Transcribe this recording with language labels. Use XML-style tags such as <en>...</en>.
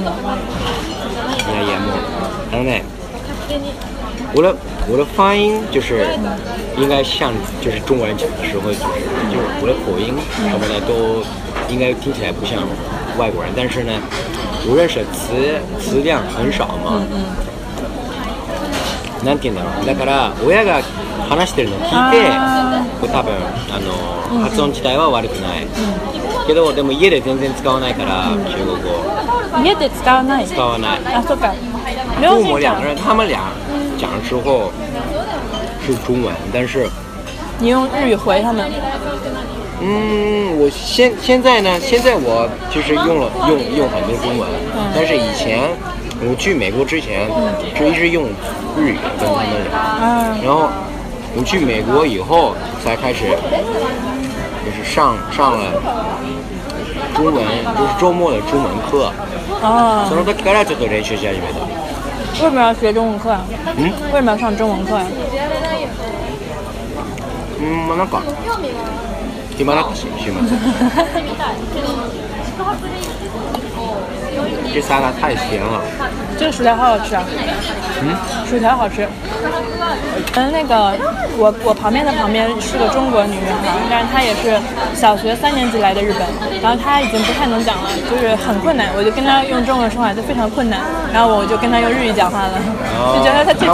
<ja>いやいや、もうあのね、</ja> <zh>我的发音就是应该像就是中国人讲的时候，就是我的口音什么的都应该听起来不像外国人，但是呢我认识词量很少嘛，</zh> <ja>なんて言うんだろう、だから親が話してるのを聞いて、多分あの発音自体は悪くない、けどでも家で全然使わないから、中国語家で使わない。使わない。あ、そっか、</ja> <zh>両親父母两个人他们俩讲的时候是中文，但是你用日语回他们。我现在我就是用很多中文，但是以前我去美国之前就一直用日语跟他们聊，然后我去美国以后才开始，就是上了中文，就是周末的中文课。从那开始就都练学习了，为什么要学中文课？为什么要上中文课？</zh> <ja>うん、まあなんか暇だったし、週末</ja> <zh>这沙拉太甜了，这个薯条好好吃啊。嗯，薯条好吃。嗯，那个我旁边是个中国女人嘛，但是她也是小学三年级来的日本，然后她已经不太能讲了，就是很困难。我就跟她用中文说话就非常困难，然后我就跟她用日语讲话了，就觉得她</zh>